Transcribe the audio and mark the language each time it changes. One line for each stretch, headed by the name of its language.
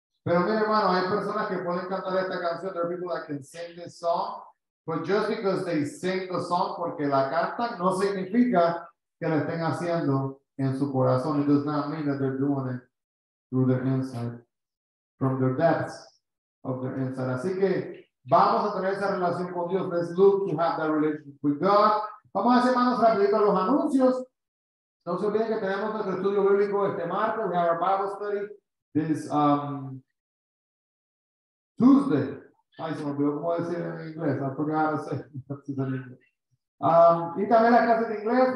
Spanish: Pero mi hermano, hay personas que pueden cantar esta canción.
English: There are people that can sing this song. But just because they sing the song,
Spanish: porque la cantan, no significa que la estén haciendo en su corazón.
English: It does not mean that they're doing it through their inside, from their depths of their inside.
Spanish: Así que vamos a tener esa relación con Dios.
English: Let's look to have that relationship with God.
Spanish: Vamos a hacer manos rapidito a los anuncios. No se olviden que tenemos nuestro estudio bíblico este martes.
English: We have our Bible study. This, Tuesday.
Spanish: Ay, se me olvidó cómo decir en inglés.
English: I forgot how to say it.
Spanish: Y también la clase de inglés.